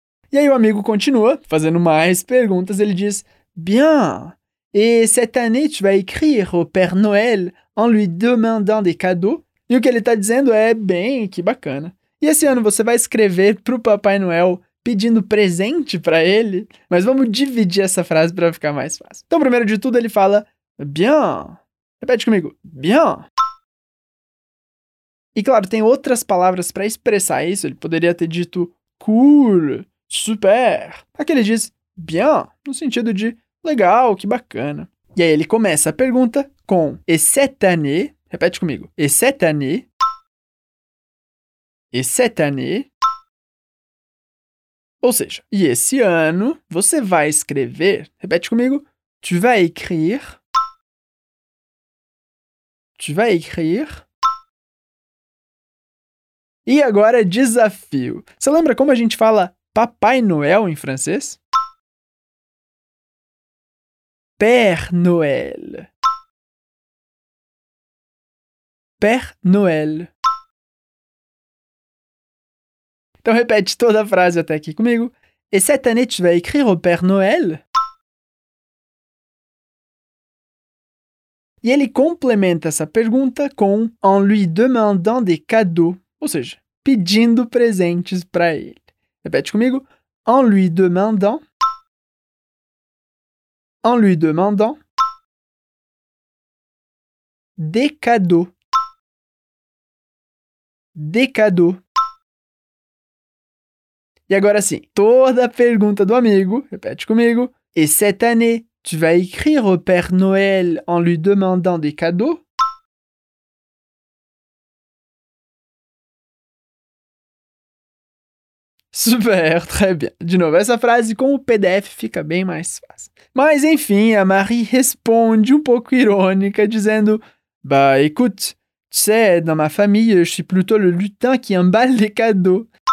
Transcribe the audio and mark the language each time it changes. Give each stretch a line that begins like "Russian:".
Portuguese: E aí o amigo continua fazendo mais perguntas. Ele diz,
French: bien, et cette année tu vas écrire au Père Noël en lui demandant des cadeaux?
Portuguese: E o que ele está dizendo é, bem, que bacana. E esse ano você vai escrever pro Papai Noel pedindo presente para ele? Mas vamos dividir essa frase para ficar mais fácil. Então, primeiro de tudo, ele fala, bien. Repete comigo, bien. E claro, tem outras palavras para expressar isso. Ele poderia ter dito, cool. Super! Aqui ele diz bien, no sentido de legal, que bacana. E aí ele começa a pergunta com et cette année, repete comigo,
French: et cette année, et cette année.
Portuguese: Ou seja, e esse ano você vai escrever, repete comigo,
French: tu vas écrire, tu vas écrire.
Portuguese: E agora desafio. Você lembra como a gente fala Papai Noel em francês?
French: Père Noël. Père Noël.
Portuguese: Então repete toda a frase até aqui comigo.
French: Et cette année tu vas écrire au Père Noël?
Portuguese: E ele complementa essa pergunta com
French: en lui demandant des cadeaux,
Portuguese: ou seja, pedindo presentes para ele. Repete comigo,
French: en lui demandant, en lui demandant, des cadeaux, des cadeaux.
Portuguese: E agora sim, toda a pergunta do amigo, repete comigo,
French: et cette année, tu vas écrire au Père Noël en lui demandant des cadeaux? Super, très bien.
Portuguese: De novo, essa frase com o PDF fica bem mais fácil. Mas, enfim, a Marie responde um pouco irônica, dizendo
French: bah, écoute, tu sais, dans ma famille, je suis plutôt le lutin qui emballe les cadeaux.